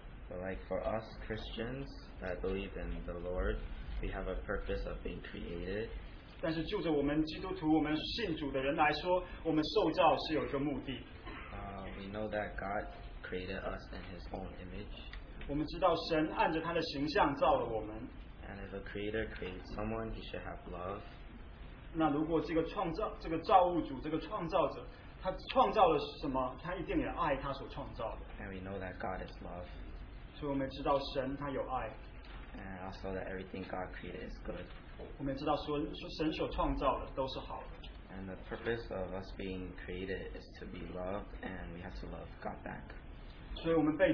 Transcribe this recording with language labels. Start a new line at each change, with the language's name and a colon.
English: But like for us Christians that believe in the Lord, we have a purpose of being created.
Chinese: 但是就着我们基督徒，我们信主的人来说，我们受造是有一个目的。
English: We know that God created us in His own image.
Chinese: 我们知道神按着他的形象造了我们。
English: And if a creator creates someone, he should have love.
Chinese: 那如果这个造物主，这个创造者，他创造了什么，他一定也爱他所创造的。
English: And we know that God is love.
Chinese: 所以我们知道神他有爱。
English: And also that everything God created is good.
Chinese: 我们知道神所创造的都是好的。
English: And the purpose of us being created is to be loved, and we have to love God back.